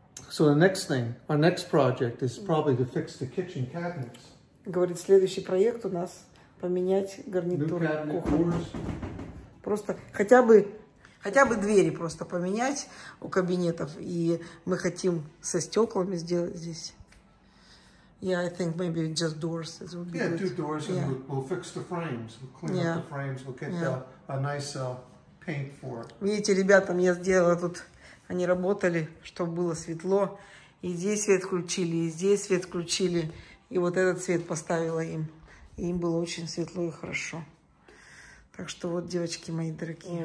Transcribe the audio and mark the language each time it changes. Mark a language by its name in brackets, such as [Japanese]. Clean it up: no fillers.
[English] So the next thing, our next project is probably to fix the kitchen cabinets. [Russian] Говорит, следующий проект у нас поменять гарнитуру. [English] New cabinet doors. [Russian] Просто хотя бы двери просто поменять у кабинетов. И мы хотим со стеклами сделать здесь. [English] Yeah, I think maybe just doors. Yeah, two doors and we'll fix the frames. We'll clean up the frames. We'll get a nice paint for it. [Russian] Видите, ребятам я сделала тут. Они работали, чтобы было светло. И здесь свет включили, и здесь свет включили. И вот этот свет поставила им. И им было очень светло и хорошо. Так что вот, девочки мои дорогие.